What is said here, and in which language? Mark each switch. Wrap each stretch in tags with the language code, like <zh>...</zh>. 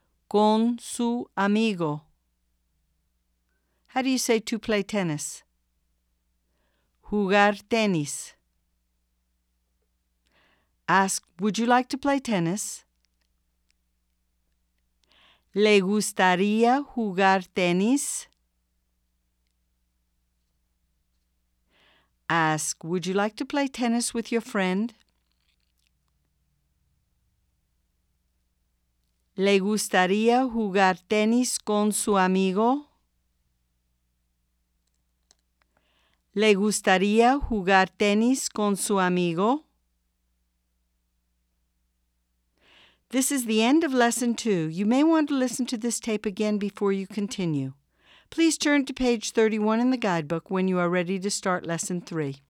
<es>Con su amigo.</es> <en>How do you say to play tennis?</en> <es>Jugar tenis.</es> <en>Ask, would you like to play tennis?</en> <es>¿Le gustaría jugar tenis?</es> <en>Ask, would you like to play tennis with your friend?</en> <es>¿Le gustaría jugar tenis con su amigo? ¿Le gustaría jugar tenis con su amigo?</es> <en>This is the end of Lesson 2. You may want to listen to this tape again before you continue. Please turn to page 31 in the guidebook when you are ready to start Lesson 3.</en>